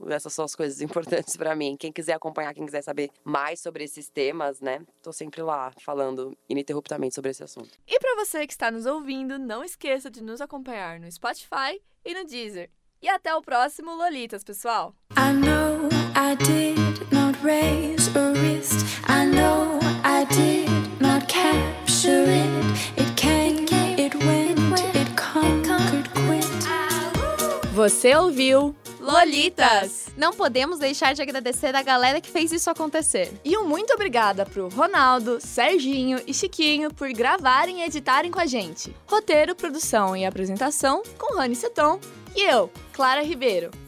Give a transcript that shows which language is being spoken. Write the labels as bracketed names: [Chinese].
[Portuguese] Essas são as coisas importantes pra mim. Quem quiser acompanhar, quem quiser saber mais sobre esses temas, né? Tô sempre lá falando ininterruptamente sobre esse assunto. E pra você que está nos ouvindo, não esqueça de nos acompanhar no Spotify e no Deezer. E até o próximo Lolitas, pessoal! [English] I know I did not raise a wrist. I know I did not capture it. It came, it went, it conquered, quit. [Portuguese] Você ouviu Lolitas! Não podemos deixar de agradecer a galera que fez isso acontecer. E um muito obrigada pro Ronaldo, Serginho e Chiquinho por gravarem e editarem com a gente. Roteiro, produção e apresentação com Rani Seton. E eu, Clara Ribeiro.